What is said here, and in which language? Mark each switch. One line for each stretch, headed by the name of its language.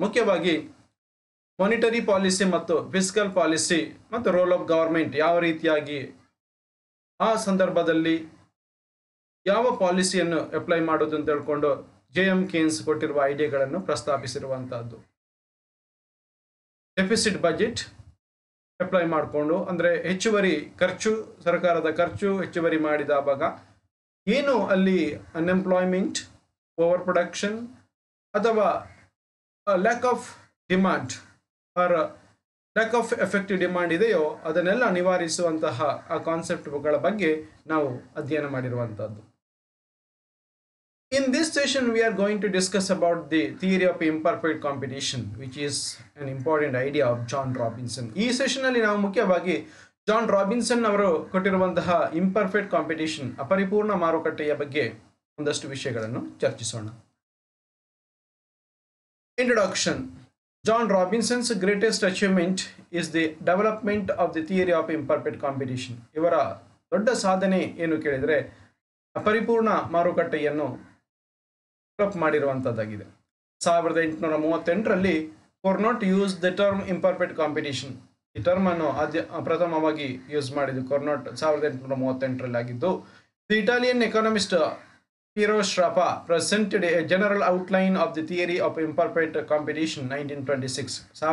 Kannada: Mukhyavagi monetary policy matto fiscal policy matto role of government yava reetiyagi aa sandarbhadalli ಯಾವ ಪಾಲಿಸಿಯನ್ನು apply ಮಾಡೋದು ಅಂತ ಹೇಳ್ಕೊಂಡು ಜೆ ಎಂ ಕೇನ್ಸ್ ಕೊಟ್ಟಿರುವ ಐಡಿಯಾಗಳನ್ನು ಪ್ರಸ್ತಾಪಿಸಿರುವಂತಹದ್ದು. ಡೆಫಿಸಿಟ್ ಬಜೆಟ್ ಅಪ್ಲೈ ಮಾಡಿಕೊಂಡು, ಅಂದರೆ ಹೆಚ್ಚುವರಿ ಖರ್ಚು, ಸರ್ಕಾರದ ಖರ್ಚು ಹೆಚ್ಚುವರಿ ಮಾಡಿದಾಗ ಏನು ಅಲ್ಲಿ ಅನ್ಎಂಪ್ಲಾಯ್ಮೆಂಟ್, ಓವರ್ ಪ್ರೊಡಕ್ಷನ್ ಅಥವಾ lack of demand R lack of effective demand ಇದೆಯೋ ಅದನ್ನೆಲ್ಲ ನಿವಾರಿಸುವಂತಹ ಆ ಕಾನ್ಸೆಪ್ಟ್ಗಳ ಬಗ್ಗೆ ನಾವು ಅಧ್ಯಯನ ಮಾಡಿರುವಂಥದ್ದು.
English: In this session we are going to discuss about the theory of imperfect competition, which is an important idea of John Robinson.
Kannada: ಈ ಸೆಷನಲ್ಲಿ ನಾವು ಮುಖ್ಯವಾಗಿ ಜಾನ್ ರಾಬಿನ್ಸನ್ ಅವರು ಕೊಟ್ಟಿರುವಂತಹ ಇಂಪರ್ಫೆಕ್ಟ್ ಕಾಂಪಿಟೇಷನ್, ಅಪರಿಪೂರ್ಣ ಮಾರುಕಟ್ಟೆಯ ಬಗ್ಗೆ ಒಂದಷ್ಟು ವಿಷಯಗಳನ್ನು ಚರ್ಚಿಸೋಣ.
English: Introduction. John Robinson's greatest achievement is the development of the theory of imperfect competition.
Kannada: ಇವರ ದೊಡ್ಡ ಸಾಧನೆ ಏನು ಕೇಳಿದರೆ ಅಪರಿಪೂರ್ಣ ಮಾರುಕಟ್ಟೆಯನ್ನು develop ಮಾಡಿರುವಂಥದ್ದಾಗಿದೆ.
English: 1838 Cournot use the term imperfect competition.
Kannada: ಈ ಟರ್ಮ್ ಅನ್ನು ಪ್ರಥಮವಾಗಿ ಯೂಸ್ ಮಾಡಿದ್ದು ಕೊರ್ನೋಟ್ 1838 ಆಗಿದ್ದು,
English: The Italian economist Pierro Sraffa presented a general outline of the theory of imperfect competition 1926.